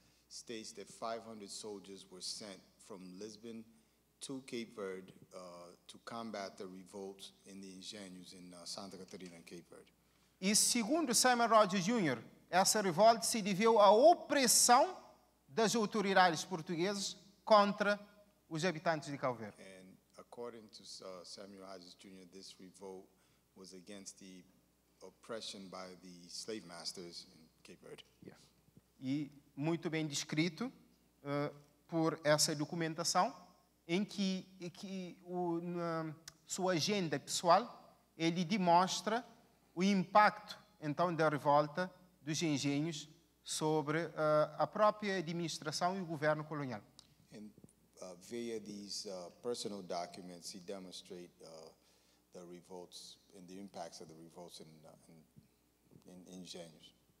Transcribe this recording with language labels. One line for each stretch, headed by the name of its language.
English: States that 500 soldiers were sent from Lisbon to Cape Verde to combat the revolt in the Engenhos in Santa Catarina and Cape Verde.
Portuguese: E segundo Samuel Rogers Jr., essa revolta se deveu à opressão das autoridades portuguesas contra os habitantes de Cabo Verde.
English: And according to Samuel Rogers Jr., this revolt was against the oppression by the slave masters in Cape Verde. Yes.
Portuguese: E muito bem descrito por essa documentação em que na sua agenda pessoal ele demonstra o impacto então da revolta dos engenhos sobre a própria administração e o governo colonial.
English: And via these personal documents he demonstrates the revolts and the impacts of the revolts in engenhos.